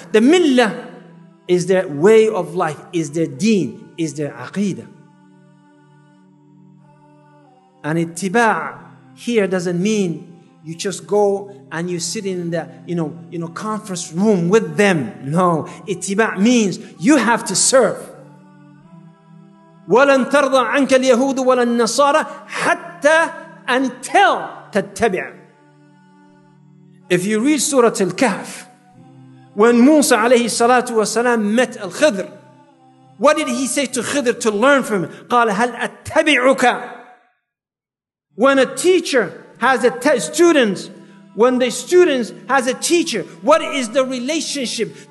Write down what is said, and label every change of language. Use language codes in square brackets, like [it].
[en] The millah is their way of life, is their deen, is their aqeedah. And ittiba' here doesn't mean you just go and you sit in the conference room with them. No, ittiba' means you have to serve. [ar] وَلَنْ تَرْضَ عَنْكَ الْيَهُودُ وَلَا النَّصَارَ حَتَّى [en] until [ar] تَتَّبِعَ. [en] If you read Surah Al-Kahf, when Musa alayhi salatu wasalam met Al-Khidr, what did he say to Khidr to learn from him? [ar] قَالَ هَلْ أَتَّبِعُكَ. [en] When a teacher has a student, when the student has a teacher, what is the relationship?